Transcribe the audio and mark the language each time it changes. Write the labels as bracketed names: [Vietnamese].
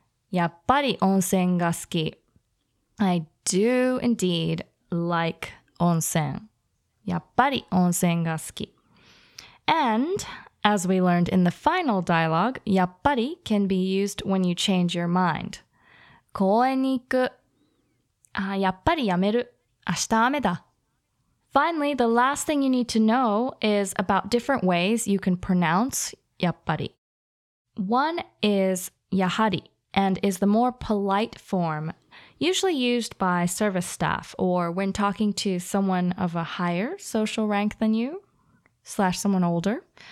[Japanese] やっぱり温泉が好き。 [English] I do indeed like [Japanese] 温泉。やっぱり温泉が好き。 [English] And as we learned in the final dialogue, やっぱり can be used when you change your mind. [Japanese] 公園に行く。あ、やっぱりやめる。明日雨だ。 [English] Finally, the last thing you need to know is about different ways you can pronounce yappari. One is yahari and is the more polite form, usually used by service staff or when talking to someone of a higher social rank than you, slash someone older.